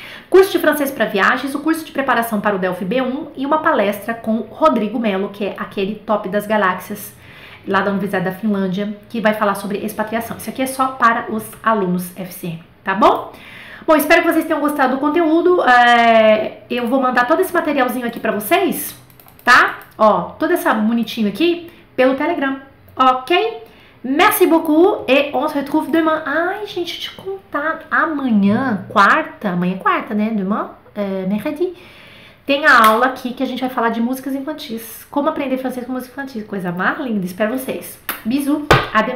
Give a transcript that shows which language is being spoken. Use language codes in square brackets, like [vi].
[pt] Curso de francês para viagens, o curso de preparação para o Delphi B1 e uma palestra com Rodrigo Melo, que é aquele top das galáxias lá da Universidade da Finlândia, que vai falar sobre expatriação. Isso aqui é só para os alunos FCM, tá bom? Bom, espero que vocês tenham gostado do conteúdo. Eu vou mandar todo esse materialzinho aqui para vocês, tá? Ó, toda essa bonitinho aqui pelo Telegram, ok? [fr] Merci beaucoup et on se retrouve demain. [pt] Ai, gente, deixa eu te contar. Amanhã é quarta, né? [fr] Demain, mercredi. [pt] Tem a aula aqui que a gente vai falar de músicas infantis. Como aprender francês com música infantil. Coisa mais linda. Espero vocês. Bisous. Ademais.